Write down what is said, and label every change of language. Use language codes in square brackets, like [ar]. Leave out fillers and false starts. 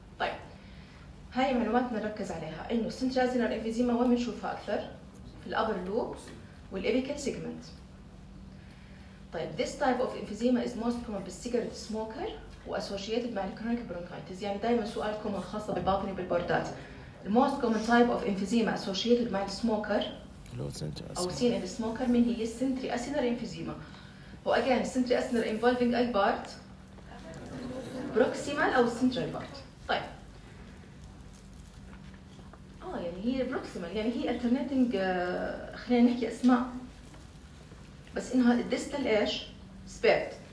[ar] طيب هاي معلوماتنا نركز عليها انه سنتري اسينار انفيزيما وين بنشوفها اكثر؟ في الابر لوب والابيكال سيجمنت. [en] طيب this type of emphysema is most common with cigarette smoker وassociated مع chronic bronchitis. [ar] يعني دائما سؤال كومن خاصة بالباطني بالبوردات. [en] The most common type of emphysema associated مع smoker أو seen in the smoker [ar] من هي [en] السنتري acinar emphysema. [ar] وأجين السنتري أسينر involving أي بارت؟ بروكسيمال أو سنترال بارت. طيب يعني هي بروكسيمال يعني هي alternating خلينا نحكي أسماء بس إنها الديستال إيش سبيرت.